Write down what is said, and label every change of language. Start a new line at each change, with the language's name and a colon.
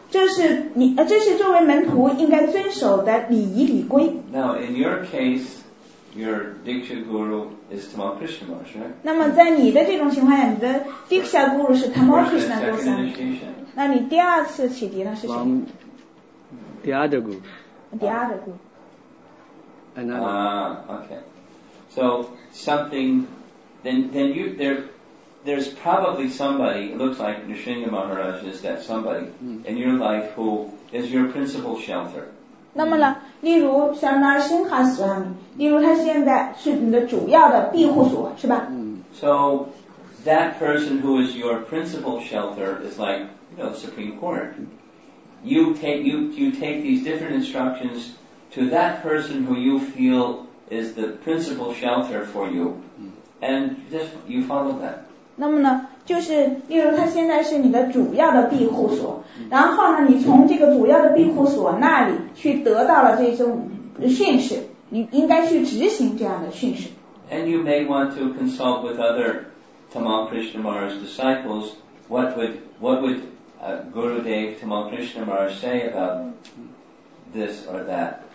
Chinese: 这是作为门徒应该遵守的礼仪礼规。
English: Now in your case, your Diksha Guru is Tamal Krishna Maharaj, right?
Chinese: 那么在你的这种情况下，你的 Diksha Guru 是 Tamal Krishna Maharaj.
English: First initiation.
Chinese: 那你第二次启迪呢是谁？
English: The other group. The other group. Another. Okay. So something, there's probably somebody, it looks like Nrisimha Maharaj is that somebody in your life who is your principal shelter.
Chinese: 那么呢，例如像那辛哈斯拉米，例如他现在是你的主要的庇护所，是吧？
English: So that person who is your principal shelter is like, you know, the Supreme Court. You take these different instructions to that person who you feel is the principal shelter for you, and just you follow that.
Chinese: 那么呢，就是例如他现在是你的主要的庇护所，然后呢，你从这个主要的庇护所那里去得到了这种训示，你应该去执行这样的训示。
English: And you may want to consult with other Tamal Krishnamara's disciples. What would Gurudev Tamal Krishna Maharaj say about this or that.